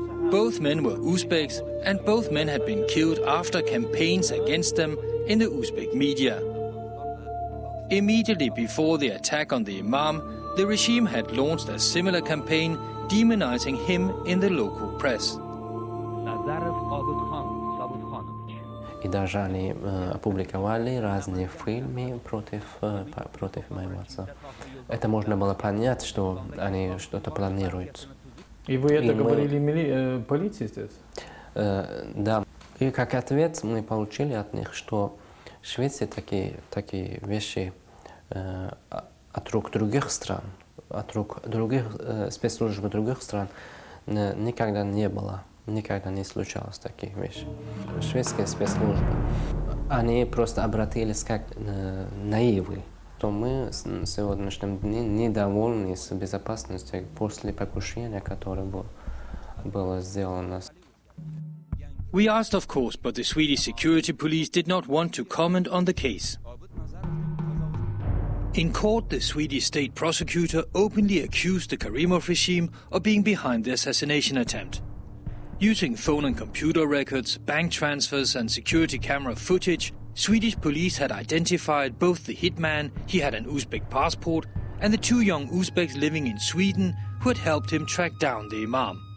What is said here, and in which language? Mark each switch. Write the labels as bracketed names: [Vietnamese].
[English] Both men were Uzbeks, and both men had been killed after campaigns against them in the Uzbek media. Immediately before the attack on the imam, the regime had launched a similar campaign demonizing him in the local press. [Russian] Даже они опубликовали разные фильмы против моего отца. Это можно было понять, что они что-то планируют. И вы это говорили полиции здесь? Да. И как ответ мы получили от них, что в Швеции такие вещи от рук других стран, от рук других спецслужб других стран никогда не было. Никогда не случалось таких вещей. Шведская спецслужба, они просто обратились как наивы. То мы с сегодняшним днем недовольны с безопасностью после покушения, которое было сделано. [English] We asked, of course, but the Swedish security police did not want to comment on the case. In court, the Swedish state prosecutor openly accused the Karimov regime of being behind the assassination attempt. Using phone and computer records, bank transfers and security camera footage, Swedish police had identified both the hitman, he had an Uzbek passport, and the two young Uzbeks living in Sweden who had helped him track down the imam.